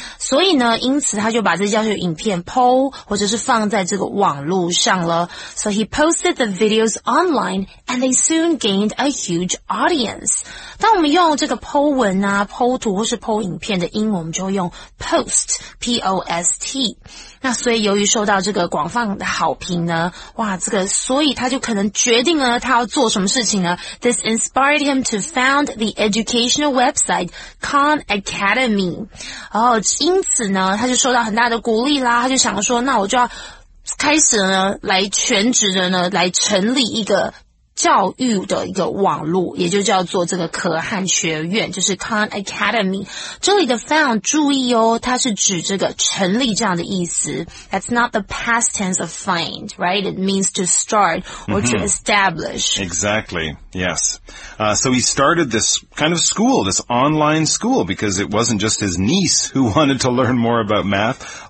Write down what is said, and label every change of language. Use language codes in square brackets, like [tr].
[zh] 所以呢因此他就把这教学影片 PO 或者是放在这个网络上了。 [en] So he posted the videos online and they soon gained a huge audience。 [zh] 当我们用这个 PO 文啊 PO 图或是 PO 影片的英文，我们就用 POST POST。那所以由于受到这个广泛的好评呢，哇，这个所以他就可能决定了他要做什么事情呢。 [en] This inspired him to found the educational website Khan Academy。 [zh] 然后因此呢他就受到很大的鼓励啦，他就想说那我就要开始呢来全职的呢来成立一个教育的一个网络，也就叫做这个可汗学院，就是 Khan Academy。这里的 found 注意哦，它是指这个成立这样的意思。 [en] That's not the past tense of find, right? It means to start or to establish. Exactly, yes. So he started this kind of school, this online school, because it wasn't just his niece who wanted to learn more about math.